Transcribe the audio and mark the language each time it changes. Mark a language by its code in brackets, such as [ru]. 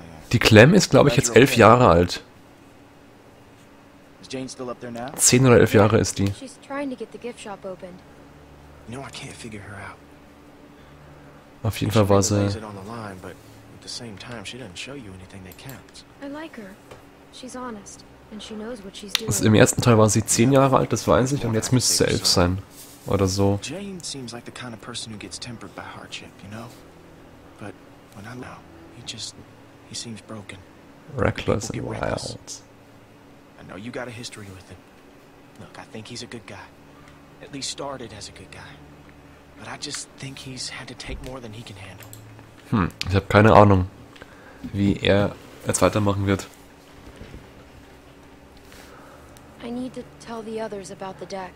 [de] die Clem ist, glaube ich, jetzt 11 Jahre alt. [en] Is Jane still up there now? [de] 10 oder 11 Jahre ist die. [en] She's trying to get the gift shop opened. You know, I can't figure her out. [de] Auf jeden Fall war sie. [en] She's on the line, but at the same time, she doesn't show you anything that counts. I like her. She's honest, and she knows what she's doing. [de] Also im ersten Teil war sie 10 Jahre alt, das weiß ich, und jetzt müsste sie 11 sein. Oder so. [en] Jane seems like the kind of person who gets tempered by hardship, you know? But when I know, he seems broken. Reckless and wild. I know you got a history with him. Look, I think he's a good guy. At least started as a good guy. But I just think he's had to take more than he can handle. [de] Ich habe keine Ahnung, wie er jetzt weitermachen wird. [en] I need to tell the others about the deck.